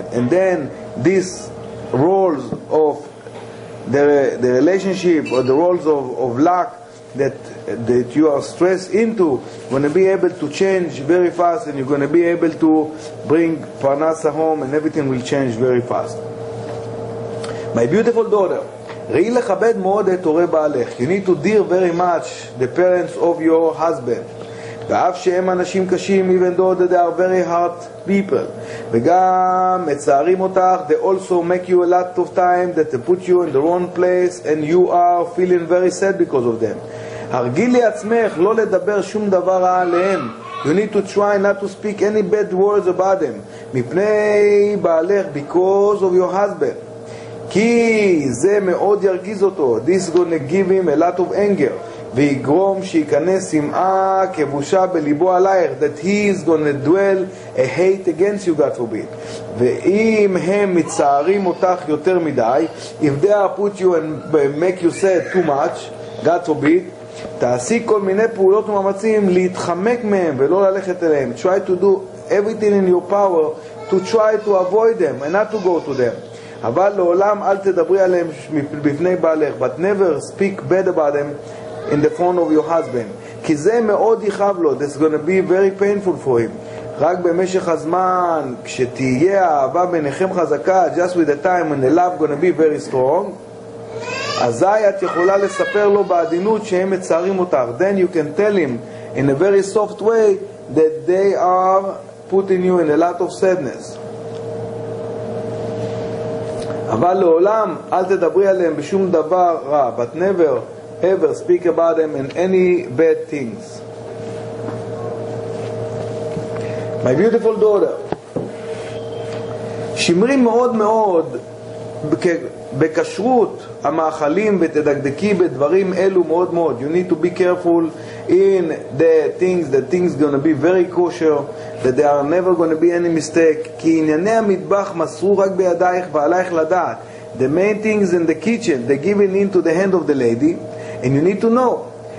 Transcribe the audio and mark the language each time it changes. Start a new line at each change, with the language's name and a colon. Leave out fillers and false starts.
English: And then, these roles of the relationship or the roles of luck that you are stressed into going to be able to change very fast, and you're going to be able to bring parnasa home, and everything will change very fast. My beautiful daughter,
Hebrew: ראי לכבד מאוד את הורי בעלך.
English: You need to dear very much the parents of your husband.
Hebrew: ואף שהם אנשים קשים,
English: even though they are very hard people,
Hebrew: וגם מצערים אותך,
English: they also make you a lot of time that they put you in the wrong place and you are feeling very sad because of them.
Hebrew: הרגילי עצמך לא לדבר שום דבר רע עליהם.
English: You need to try not to speak any bad words about them
Hebrew: מפני בעלך,
English: because of your husband,
Hebrew: כי זה מאוד ירגיז אותו.
English: This is going to give him a lot of anger,
Hebrew: ויגרום שיכנס שמעה כבושה בליבו עלייך,
English: that he is going to dwell a hate against you, God forbid.
Hebrew: ואם הם מצערים אותך יותר מדי,
English: if they are put you and make you sad too much, God forbid,
Hebrew: תעשי כל מיני פעולות ומאמצים להתחמק מהם ולא ללכת אליהם.
English: Try to do everything in your power to try to avoid them and not to go to them.
Hebrew: אבל לעולם אל תדברי עליהם בפני בעלך,
English: but never speak bad about them in the front of your husband,
Hebrew: כי זה מאוד יחב לו.
English: This is going to be very painful for him.
Hebrew: רק במשך הזמן, כשתהיה האהבה ביניכם חזקה,
English: just with the time when the love is going to be very strong,
Hebrew: אזי את יכולה לספר לו בעדינות שהם מצערים אותך.
English: Then you can tell him in a very soft way that they are putting you in a lot of sadness.
Hebrew: אבל לעולם אל תדברי עליהם בשום דבר רע,
English: but never ever speak about them in any bad things. My beautiful daughter,
Hebrew: שמרי מאוד מאוד בקשרות המאכלים ותדקדקי בדברים אלו מאוד מאוד.
English: You need to be careful in the things going to be very kosher, that there are never going to be any mistake.
Hebrew: כי ענייני המטבח מסרו רק בידייך ועלייך לדעת.
English: The main things in the kitchen, they're given into the hand of the lady, and you need to know,